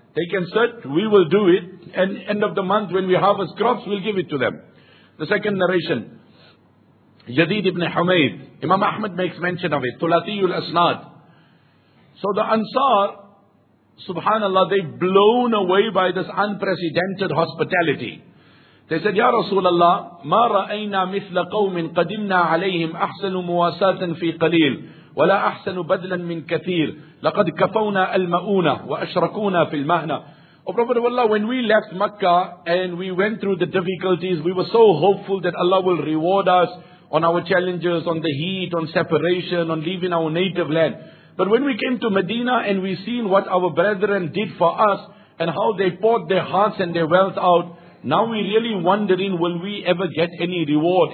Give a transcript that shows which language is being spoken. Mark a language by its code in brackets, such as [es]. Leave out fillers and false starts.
[en] They can search, we will do it. And end of the month when we harvest crops, we'll give it to them. The second narration, Yadid ibn Humayd, Imam Ahmad makes mention of it, Tulatiyul Asnad. So the Ansar, subhanallah, they blown away by this unprecedented hospitality. They said, [ar] Ya Rasulullah, مَا رَأَيْنَا مِثْلَ قَوْمٍ قَدِمْنَا عَلَيْهِمْ أَحْسَنُ مُوَاسَاتٍ فِي قَلِيلٍ وَلَا أَحْسَنُ بَدْلًا مِنْ كَثِيرٍ لَقَدْ كَفَوْنَا الْمَؤُونَ وَأَشْرَكُونَا فِي الْمَهْنَةِ. [en] O Prophet of Allah, when we left Mecca and we went through the difficulties, we were so hopeful that Allah will reward us on our challenges, on the heat, on separation, on leaving our native land. But when we came to Medina and we seen what our brethren did for us and how they poured their hearts and their wealth out, now we really wondering, will we ever get any reward?